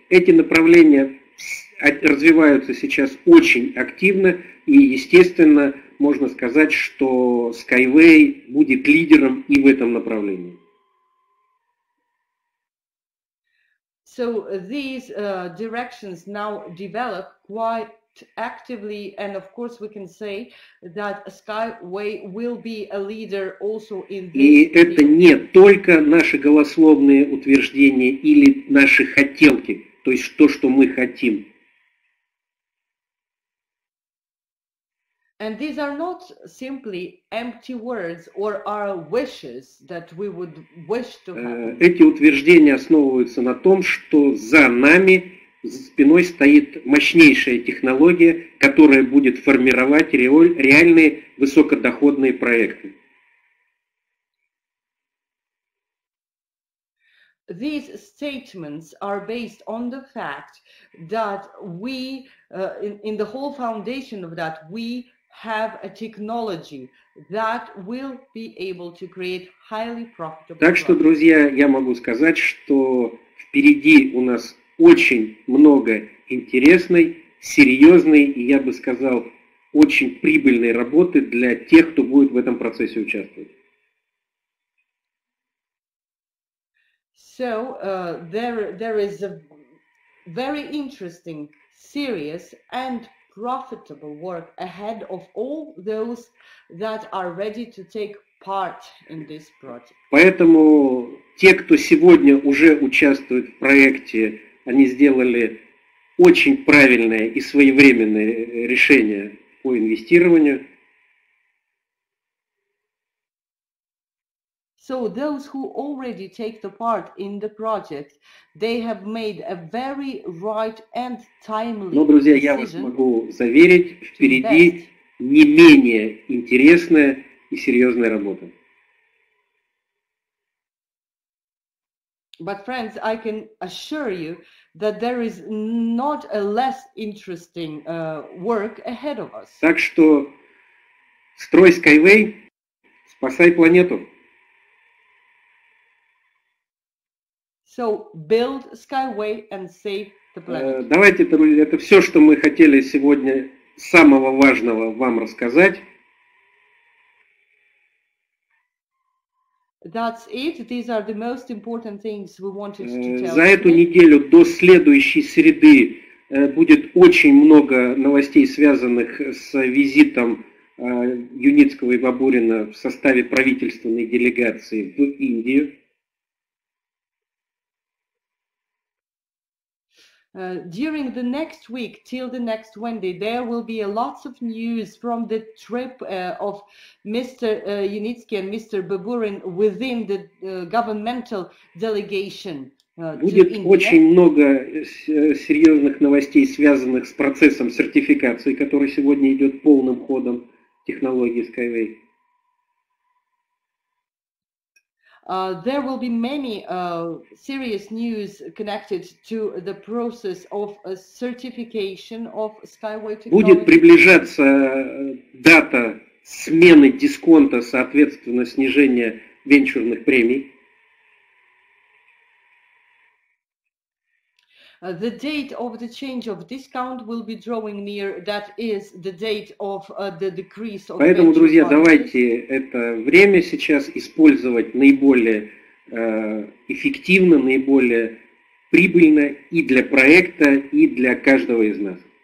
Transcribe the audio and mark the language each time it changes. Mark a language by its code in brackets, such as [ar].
[ru] И эти направления развиваются сейчас очень активно, и естественно, можно сказать, что Skyway будет лидером и в этом направлении. [en] So these directions now develop quite actively, and of course we can say that Skyway will be a leader also in this. [ru] И это не только наши голословные утверждения или наши хотелки, то есть то, что мы хотим. [en] And these are not simply empty words or our wishes that we would wish to have. [ru] Эти утверждения основываются на том, что за нами, за спиной стоит мощнейшая технология, которая будет формировать реальные высокодоходные проекты. [en] These statements are based on the fact that we, in the whole foundation of that, we have a technology that will be able to create highly profitable products. [ru] Так что, друзья, я могу сказать, что впереди у нас очень много интересной, серьезной и, я бы сказал, очень прибыльной работы для тех, кто будет в этом процессе участвовать. [en] So, there is a very interesting, serious and profitable work ahead of all those that are ready to take part in this project. [ru] Поэтому те, кто сегодня уже участвует в проекте, они сделали очень правильное и своевременное решение по инвестированию. [en] So those who already take the part in the project, they have made a very right and timely. [ru] Но, друзья, я вас могу заверить, впереди не менее интересная и серьезная работа. [en] But friends, I can assure you that there is not a less interesting work ahead of us. [ru] Так что строй Skyway, спасай планету. [en] So build Skyway and save the planet. [ru] Давайте, друзья, это все, что мы хотели сегодня самого важного вам рассказать. [en] That's it. These are the most important things we wanted to tell. [ru] За эту неделю до следующей среды будет очень много новостей, связанных с визитом Юницкого и Бабурина в составе правительственной делегации в Индию. [en] During the next week, till the next Wednesday, there will be lots of news from the trip of Mr. Юницкий and Mr. Бабурин within the governmental delegation to India. [ru] Будет очень много серьезных новостей, связанных с процессом сертификации, который сегодня идет полным ходом технологии Skyway. [en] There will be many serious news connected to the process of a certification of Skyway technology. [ru] Будет приближаться дата смены дисконта, соответственно, снижения венчурных премий. [en] The date of the change of discount will be drawing near. That is the date of the decrease of. [ru] Поэтому, друзья, давайте это время сейчас использовать наиболее эффективно, наиболее прибыльно и для проекта, и для каждого из нас.